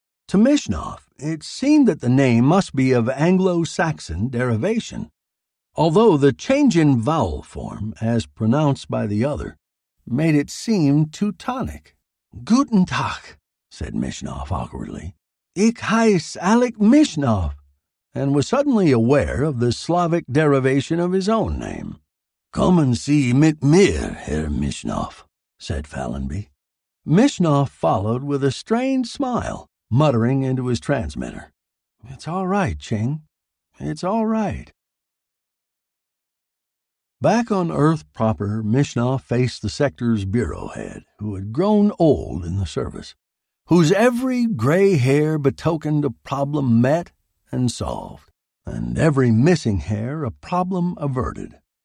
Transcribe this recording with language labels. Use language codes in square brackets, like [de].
[en] To Mishnoff, it seemed that the name must be of Anglo-Saxon derivation, although the change in vowel form, as pronounced by the other, made it seem Teutonic. [de] Guten Tag, [en] said Mishnoff awkwardly. [de] Ich heiße Alec Mishnoff. [en] And was suddenly aware of the Slavic derivation of his own name. [de] Kommen Sie mit mir, Herr Mishnoff, [en] said Fallenby. Mishnoff followed with a strained smile, muttering into his transmitter. It's all right, Ching. It's all right. Back on Earth proper, Mishnoff faced the sector's bureau head, who had grown old in the service, whose every gray hair betokened a problem met and solved, and every missing hair a problem averted.